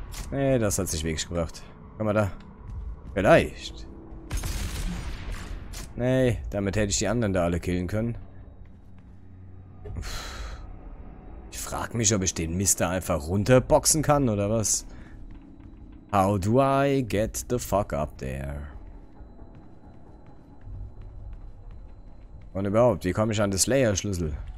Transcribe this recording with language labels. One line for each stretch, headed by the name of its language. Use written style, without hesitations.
German: Nee, das hat sich wirklich gebracht. Komm mal da. Vielleicht. Nee, damit hätte ich die anderen da alle killen können. Ich frag mich, ob ich den Mister einfach runterboxen kann, oder was?
English: How do I get the fuck up there?
German: Und überhaupt, wie komme ich an den Slayer-Schlüssel?